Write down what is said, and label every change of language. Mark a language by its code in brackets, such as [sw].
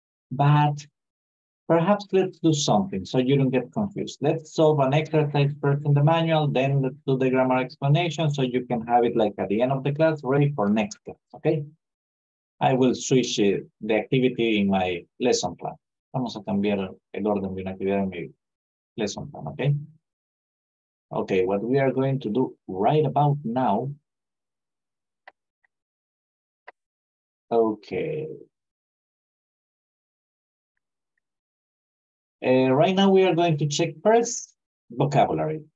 [en] But perhaps let's do something so you don't get confused. Let's solve an exercise first in the manual, then let's do the grammar explanation so you can have it like at the end of the class, ready for next class, okay? I will switch the activity in my lesson plan. [es] Vamos a cambiar el orden de una actividad en mi lesson plan, okay? [en] Okay, what we are going to do right about now. Okay. Right now, we are going to check first vocabulary.